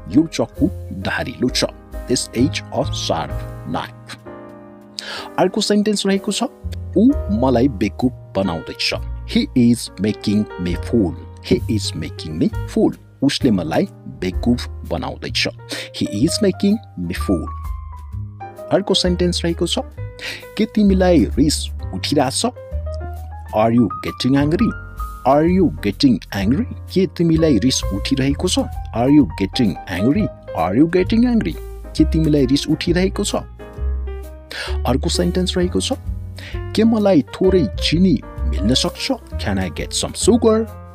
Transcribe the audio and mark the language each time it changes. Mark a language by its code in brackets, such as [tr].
[ne] यो चक्कु धारिलो छ. [en] This is a sharp knife. [ne] अर्को सेन्टेन्स रहेको छ ऊ मलाई बेकुप बनाउँदैछ [en] He is making me fool. He is making me fool. [ne] उसले मलाई बेकुफ बनाउँदैछ [en] He is making me fool. [ne] अर्को सेन्टेन्स रहेको छ के तिमीलाई रिस उठिरहेछ [en] Are you getting angry? Are you getting angry? [ne] के तिमीलाई रिस उठिरहेको छ [en] Are you getting angry? Are you getting angry? [ne] के तिमीलाई रिस उठिरहेको छ अर्को सेन्टेन्स रहेको छ के मलाई थोरै चिनी मिल्न सक्छ [en] Can I get some sugar?